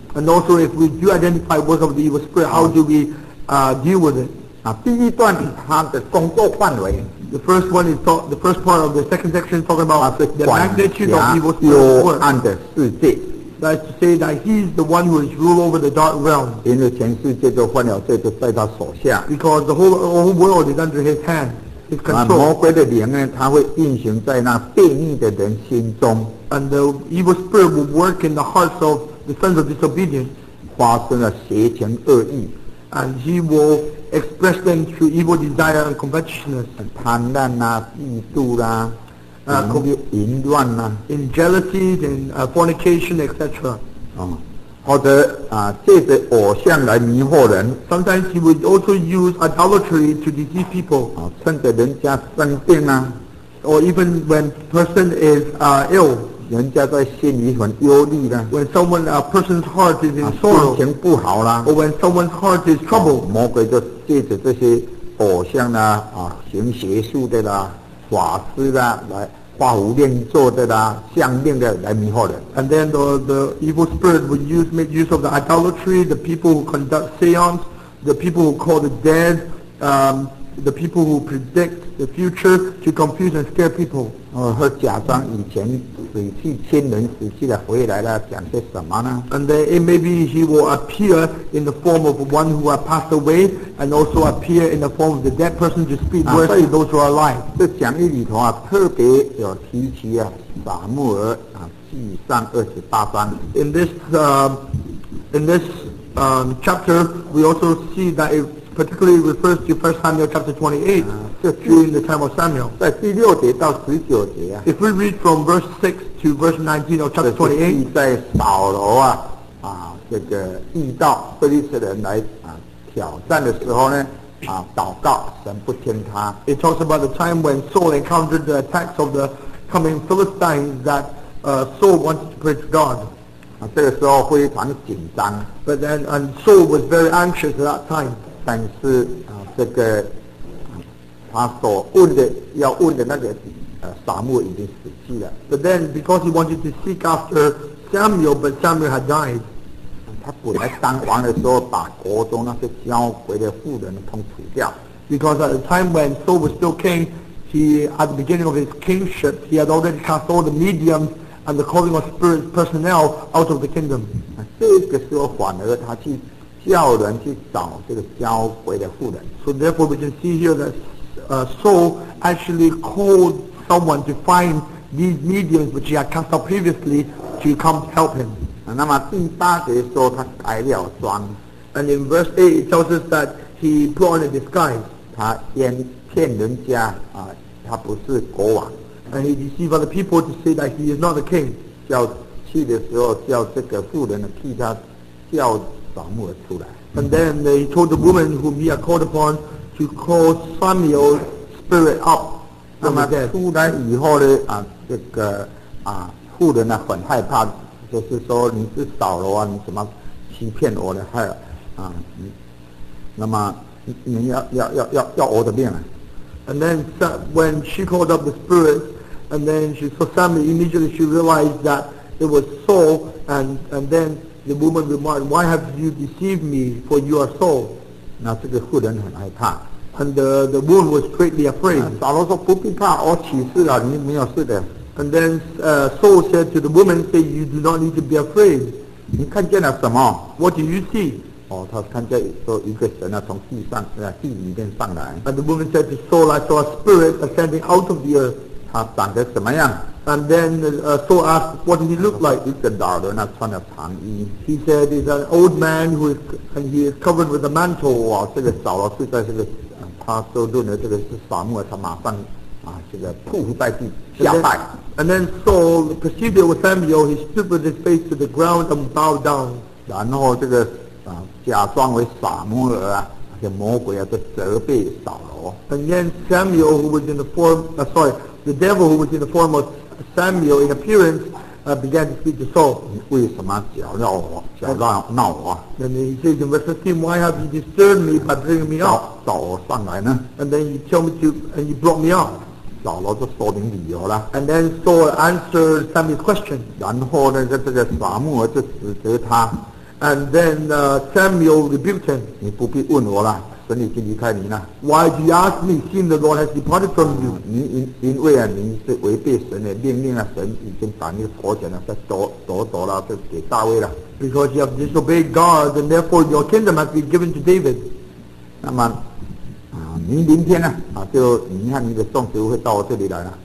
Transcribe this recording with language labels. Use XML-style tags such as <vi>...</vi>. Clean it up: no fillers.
<en>？And also if we do identify work of the evil spirit, how do we deal with it?</en> <zh>第一段他的工作范围。</zh> <en>The first one is the first part of the second section talking about the magnitude of evil spirit work.</en> <zh>暗的世界。</zh> <en>That is to say that he is the one who is rule over the dark realm.</en> <zh>因为全世界都患了罪，都在他手下。</zh> <en>Because the whole world is under his hand, his control.</en> <zh>魔鬼的灵呢，他会运行在那悖逆的人心中。</zh> <en>And the evil spirit will work in the hearts of the sons of disobedience.</en> <zh>发生了邪情恶意。</zh> <en>And he will express them through evil desire and covetousness.</en> <zh>贪婪啊，嫉妒啊。淫乱呐</zh> <en>，in jealousy, in fornication, etc.</en> <zh>或者借着偶像来迷惑人。</zh> <en>Sometimes he would also use idolatry to deceive people.</en> <zh>趁着人家生病啊</zh> <en>，or even when person is ill.</en> <zh>人家在心里很忧虑的。</zh> <en>When someone's heart is in sorrow.</en> <zh>心情不好啦。</zh> <en>Or when someone's heart is troubled.</en> <zh>魔鬼就借着这些偶像呐行邪术的啦。法师啦，来画符念咒的啦，相应的来迷惑人。</zh> <en>And then the evil spirit would make use of the idolatry, the people who conduct seance, the people who call the dead, the people who predict the future to confuse and scare people.</en> <zh>和假装以前死去亲人死去了回来了讲些什么呢</zh> <en>？And then it maybe he will appear in the form of one who has passed away, and also appear in the form of the dead person to speak words to those who are alive.</en> <zh>这讲义里头啊，特别有提及啊，撒母耳啊，记上二十八章。</zh> <en>In this chapter, we also see that it particularly refers to 1 Samuel chapter 28, during the time of Samuel.</en> <zh>在第六节到十九节啊。</zh> <en>If we read from verse 6 to verse 19 of chapter 28,</en> <zh>在扫罗啊，啊，这个遇到非利士人来啊挑战的时候呢，啊，祷告神不听他。</zh> <en>It talks about the time when Saul encountered the attacks of the coming Philistines that Saul wanted to pray to God.</en> <zh>啊、这个时候非常紧张</zh> <en>But then, and Saul was very anxious at that time</en> <zh>但是、这个他所问的要问的那个撒母耳已经死去了</zh> <en>But then because he wanted to seek after Samuel but Samuel had died</en> <zh>他本来当王的时候把国中那些交回的妇人统除掉</zh> <en>Because at the time when Saul was still king he at the beginning of his kingship he had already cast all the mediumsand the calling of spirit personnel out of the kingdom.</en> <zh>这个时候反而他去叫人去找这个交鬼的妇人。</zh> <en>So therefore we can see here that Saul actually called someone to find these mediums which he had cast out previously to come help him.</en> <zh>那么第八节说他改了装。</zh> <en>And in verse 8 it tells us that he put on a disguise.</en> <zh>他先骗人家、他不是国王。</zh> <en>And he deceived other people to say that he is not the king.</en> <zh>叫去的时候叫这个妇人替他叫撒母耳出来。</zh> <en>And then he told the woman whom he had called upon to call Samuel's spirit up.</en> <zh>那么出来以后呢啊这个啊妇人呢很害怕就是说你是扫罗啊你怎么欺骗我呢害啊那么你要我的命啊。</zh> <en>And then when she called up the spirit, and then she saw Samuel, immediately she realized that it was Saul, and then the woman remarked, why have you deceived me, for you are Saul?</en> <zh>那这个妇人很害怕。</zh> <en>And the woman was greatly afraid.</en> <zh>扫罗说不必怕，我起誓了，你没有事的。</zh> <en>And then Saul said to the woman, say, you do not need to be afraid.</en> <zh>你看见了什么？</zh> <en>What do you see?</en> <zh>哦，他看见说一个神啊，从地上啊地里面上来。</zh> <en>And the woman said to Saul, I saw a spirit ascending out of the earth.</en> <zh>他长得怎么样</zh> <en>？And then Saul asked, What did he look like?</en> <zh>一个老人啊，穿着长衣。</zh> <en>He said, He's an old man who is and he is covered with a mantle.</en> <zh>哇，这个扫罗是在这个他说论的这个是撒母耳，他马上啊这个匍匐在地下拜。</zh> <en>And then Saul perceived it was Samuel. He stood with his face to the ground and bowed down.</en> <zh>然后这个假装为撒母耳啊，那些魔鬼啊，就责备扫罗。</zh> <en>And then Samuel, who was in the form, the devil who was in the form of Samuel in appearance, began to speak to Saul.</en> <zh>为什么搅扰我？搅扰闹我</zh> <en>？And he says in verse 15, Why have you disturbed me by bringing me up?</en> <zh>找我上来呢</zh> <en>？And then you tell me to, and you brought me up.</en> <zh>扫罗就说明理由了。</zh> <en>And then Saul answered Samuel's question.</en> <zh>然后呢，这个撒母耳就指责他。</zh> <en>And then Samuel rebuked him.</en> <zh>你不必问我了，神已经离开你了。</zh> <en>Why do you ask me? Seeing the Lord has departed from you.</en> <zh>因为啊，你是违背神的命令了、啊。神已经把你夺权了，再夺了，就给大卫了。</zh> <en>Because you have disobeyed God, and therefore your kingdom has been given to David.</en> <zh>那么，你明天呢、啊？就你和你的众子会到我这里来了。</zh>